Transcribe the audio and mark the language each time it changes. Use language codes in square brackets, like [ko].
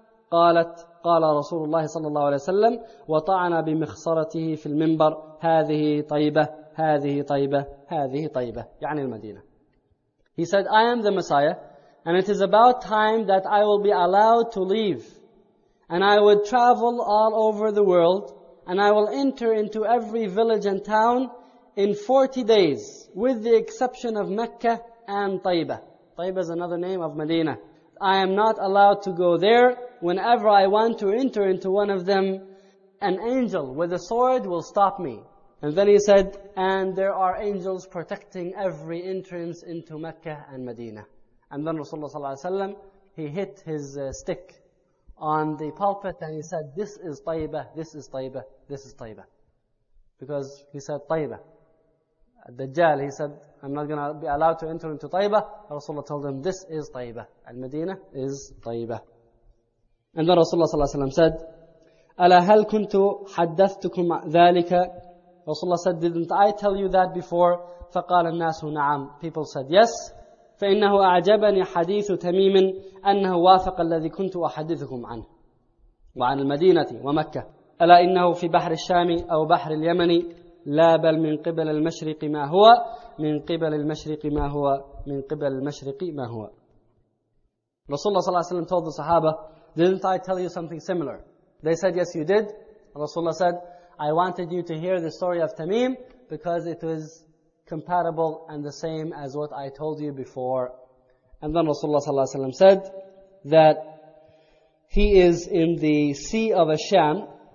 [ar] قالت قال رسول الله صلى الله عليه وسلم وطعن بمخصرته في المنبر هذه طيبة هذه طيبة هذه طيبة يعني المدينة. [en] He said, "I am the Messiah and it is about time that I will be allowed to leave and I would travel all over the world and I will enter into every village and town in 40 days with the exception of Mecca and Taiba." Taiba is another name of Medina. "I am not allowed to go there. Whenever I want to enter into one of them, an angel with a sword will stop me." And then he said, "And there are angels protecting every entrance into Mecca and Medina." And then Rasulullah sallallahu alayhi wa sallam, he hit his stick on the pulpit and he said, "This is Taiba, this is Taiba, this is Taiba." Because he said Taiba. Dajjal, he said, "I'm not going to be allowed to enter into Taiba." Rasulullah told him, "This is Taiba. Al-Madina is Taiba." And then Rasulullah sallallahu alayhi wa sallam said, [ar] "Ala hal kuntu haddathtukum thalika?" [en] Rasulullah said, "Didn't I tell you that before?" [ar] فَقَالَ النَّاسُ نَعَمْ. [en] People said, "Yes." [ar] فإنه أعجبني حديث تميم أنه وافق الذي كنت أحدثكم عنه وعن المدينة ومكة ألا إنه في بحر الشام أو بحر اليمن لا بل من قبل المشرق ما هو من قبل المشرق ما هو من قبل المشرق ما هو. رسول الله صلى الله عليه وسلم [en] told the Sahaba, "Didn't I tell you something similar?" They said, "Yes, you did." Rasulullah said, "I wanted you to hear the story of Tamim because it was compatible and the same as what I told you before." And then Rasulullah sallallahu alayhi wa sallam said that he is in the Sea of Asham.